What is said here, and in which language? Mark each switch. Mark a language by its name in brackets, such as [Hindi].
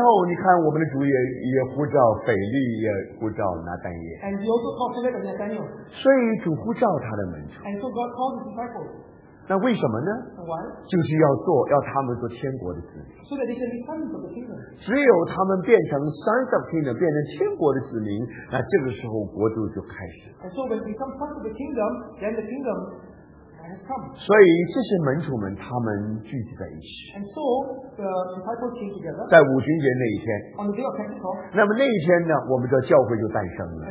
[Chinese] 然后你看我们的主也呼召腓力，也呼召拿单耶。 [English] And he also called Philip and Nathaniel. [Chinese] 所以主呼召他的门徒。 [English] And so God called his disciples. [Chinese] 那为什么呢？ [English] Why? [Chinese] 就是要做，要他们做天国的子民。 [English] So that they can be sons of the kingdom. [Chinese] 只有他们变成 [English] sons of kingdom, [Chinese] 变成天国的子民，那这个时候国度就开始。 [English] And so when we become sons of the kingdom, then the kingdom. [Chinese] 所以这些门徒们他们聚集在一起。 [English] And so, the disciples came together, [Chinese] 在五旬节那一天。 [English] On the day of Pentecost, [Chinese] 那么那一天呢我们的教会就诞生了。